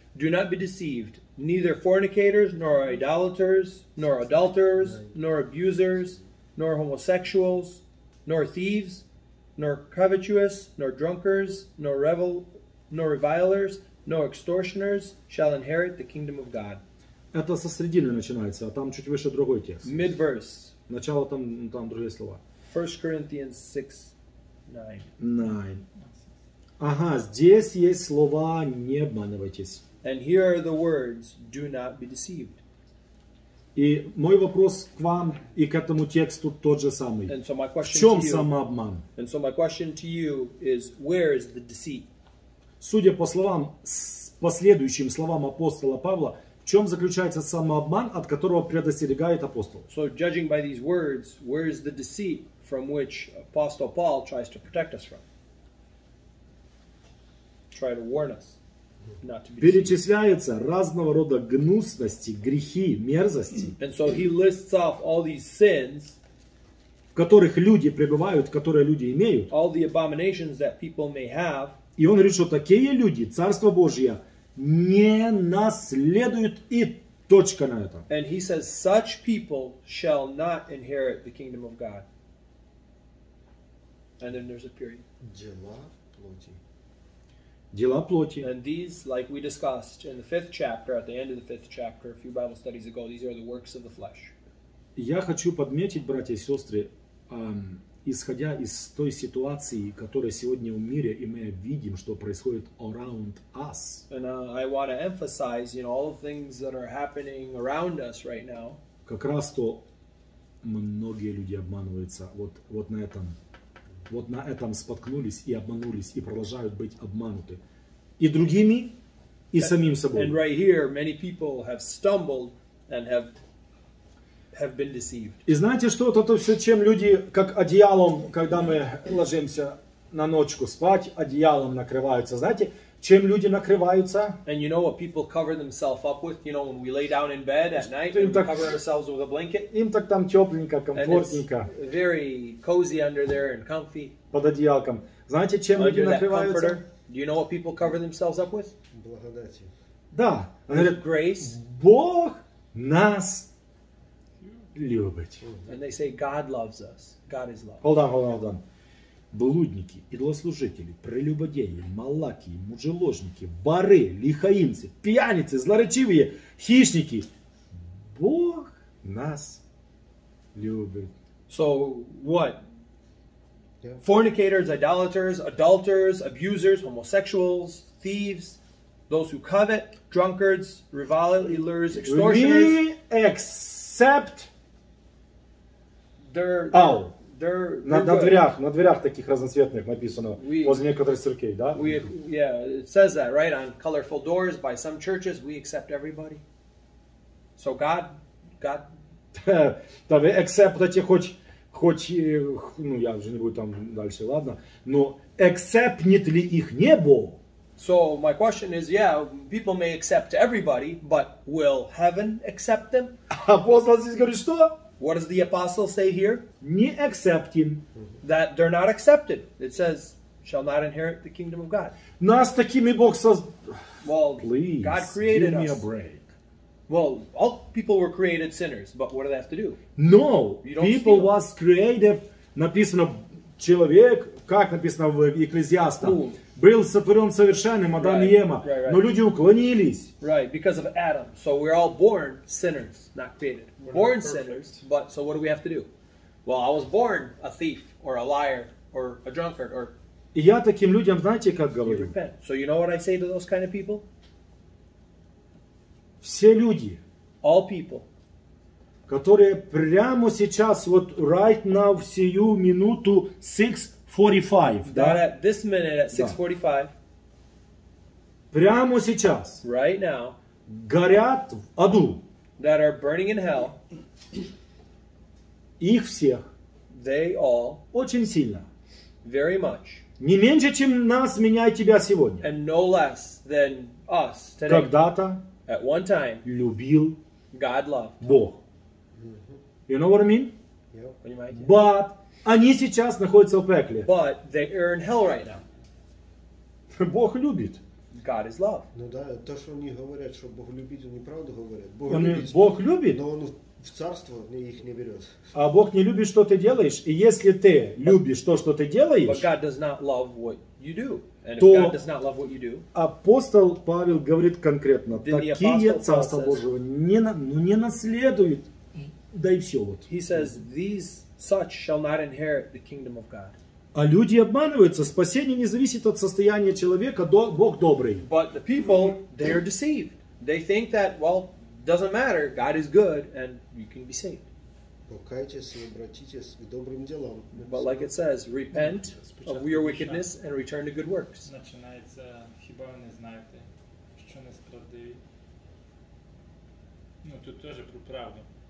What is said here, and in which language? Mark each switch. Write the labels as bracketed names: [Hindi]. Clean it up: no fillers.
[English] Do not be deceived. Neither fornicators, nor idolaters, nor adulterers, nor abusers, nor homosexuals, nor thieves, nor covetous, nor drunkards, nor nor revilers, nor extortioners shall inherit the kingdom of God. [Russian] Это со середины начинается, а там чуть выше другой текст. [English] Mid-verse. [Russian] Начало там другие слова. [English] 1 Corinthians 6, 9. [Russian] Ага, здесь есть слова «не обманывайтесь». [English] And here are the words, do not be deceived. [Russian] И мой вопрос к вам и к этому тексту тот же самый. [English] And so my question [Russian] в чем [English] to you, [Russian] самообман? [English] And so my question to you is, where is the deceit? [Russian] Судя по словам, последующим словам апостола Павла, в чем заключается самообман, от которого предостерегает апостол? [English] So judging by these words, where is the deceit from which Apostle Paul tries to protect us from? Try to warn us not to be deceived. [Russian] Перечисляется разного рода гнусности, грехи, мерзости. [English] And so he lists off all these sins, [Russian] в которых люди пребывают, которые люди имеют. [English] All the abominations that people may have. [Russian] И он говорит, что такие люди, Царство Божье, не наследуют, и точка на этом. [English] And he says, such people shall not inherit the kingdom of God. And then there's a period. [Russian] Дела плоти. Дела плоти. [English] And these, like we discussed in the fifth chapter, at the end of the fifth chapter, a few Bible studies ago, these are the works of the flesh. [Russian] Я хочу подметить, братья и сестры, исходя из той ситуации, которая сегодня в мире, и мы видим, что происходит [English] around us. And I want to emphasize, you know, all the things that are happening around us right now. [Russian] Как раз то многие люди обманываются вот на этом. Вот на этом споткнулись и обманулись, и продолжают быть обмануты. И другими, и самим собой. [English] And right here, many people have stumbled and have been deceived. [Russian] И знаете, что это все, чем люди, как одеялом, когда мы ложимся на ночку спать, одеялом накрываются, знаете, чем люди накрываются? [English] And you know what people cover themselves up with, you know, when we lay down in bed at night, and [Russian] так, [English] we cover ourselves with a blanket. [Russian] Им так там тепленько, комфортненько. [English] And it's very cozy under there and comfy. [Russian] Под одеялком. Знаете, чем [English] under [Russian] люди накрываются? [English] Comforter. Do you know what people cover themselves up with? [Russian] Благодатью. Да. [English] With [Russian] говорят, [English] grace. [Russian] Бог нас любит. [English] And they say, God loves us. God is love. Hold on. [Russian] Блудники, идолослужители, прелюбодеи, малакии, мужеложники, воры, лихаимцы, пьяницы, злоречивые, хищники. Бог нас любит. [English] So what? Yeah. Fornicators, idolaters, adulterers, abusers, homosexuals, thieves, those who covet, drunkards, revilers, extortioners. We accept all. [Russian] На дверях таких разноцветных написано возле некоторых церквей, да? [English] It says that, right? On colorful doors by some churches, we accept everybody. So God. [Russian] Да, вы акцептуете хоть, ну я уже не буду там дальше, ладно. Но акцептнет ли их небо? [English] So my question is, people may accept everybody, but will heaven accept them? [Russian] Апостол здесь говорит что? [English] What does the apostle say here? [Russian] Не [English] accepting. That they're not accepted. It says, shall not inherit the kingdom of God. [Russian] Нас такими Бог создал. [English] Well, please, God created give Me a break. Well, all people were created sinners, but what do they have to do? No, people steal. Was created, [Russian] написано, человек, как написано в Екклезиаста, был сотворен совершенным, Адам и Ема, но люди уклонились. [English] Right, because of Adam. So we're all born sinners, not created. We're born sinners, but so what do we have to do? Well, I was born a thief, or a liar, or a drunkard, or... [Russian] И я таким людям, знаете, как говорю? [English] So you know what I say to those kind of people? [Russian] Все люди. [English] All people. [Russian] Которые прямо сейчас, вот [English] right now, [Russian] сию минуту, 6:45. [English] Not at this minute at 6:45. [Russian] прямо сейчас, [English] right now, [Russian] горят в аду, [English] that are burning in hell, [Russian] их всех, [English] they all, [Russian] очень сильно, [English] very much, [Russian] не меньше, чем нас, меня и тебя сегодня, [English] and no less than us today, [Russian] когда-то, [English] at one time, [Russian] любил [English] God loved. Бог. You know what I mean? Yeah. [Russian] But они сейчас находятся в пекле. [English] But they are in hell right now. [Russian] Бог любит. [English] God is love. [Russian] Ну да, то, что они говорят, что Бог любит, они правду говорят. Бог любит. Бог любит. Но он в царство их не берет. А Бог не любит, что ты делаешь. И если ты любишь то, что ты делаешь, [English] but God does not love what you do. And if God does not love what you do, [Russian] апостол Павел говорит конкретно, такие царства Божьего не, ну, не наследуют. Да и все вот. [English] He says, these such shall not inherit the kingdom of God. [Russian] А люди обманываются. Спасение не зависит от состояния человека. Бог добрый. [English] But the people, they are deceived. They think that, well, doesn't matter. God is good and you can be saved. [Russian] Покайтесь и обратитесь к добрым делам. [English] But like it says, repent of your wickedness and return to good works. [Russian] Начинается, [Ukrainian] хіба ви не знаєте, що несправедливі. Ну, тут теж про правду.